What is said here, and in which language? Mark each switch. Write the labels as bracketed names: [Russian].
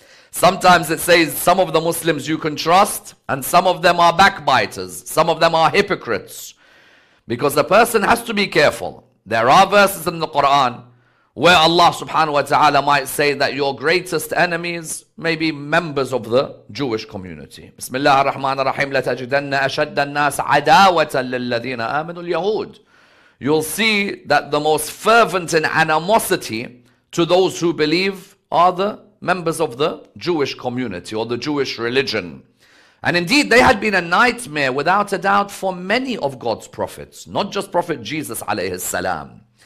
[English] Sometimes it says some of the Muslims you can trust and some of them are backbiters, some of them are hypocrites. Because a person has to be careful. There are verses in the Quran where Allah subhanahu wa ta'ala might say that your greatest enemies may be members of the Jewish community. [Arabic] Bismillah ar-Rahman ar-Rahim, لَتَجِدَنَّ أَشَدَّ النَّاسَ عَدَاوَةً لِلَّذِينَ آمَنُوا الْيَهُودِ. [English] You'll see that the most fervent in animosity to those who believe are the members of the Jewish community or the Jewish religion. And indeed, they had been a nightmare without a doubt for many of God's prophets, not just Prophet Jesus alayhi salam.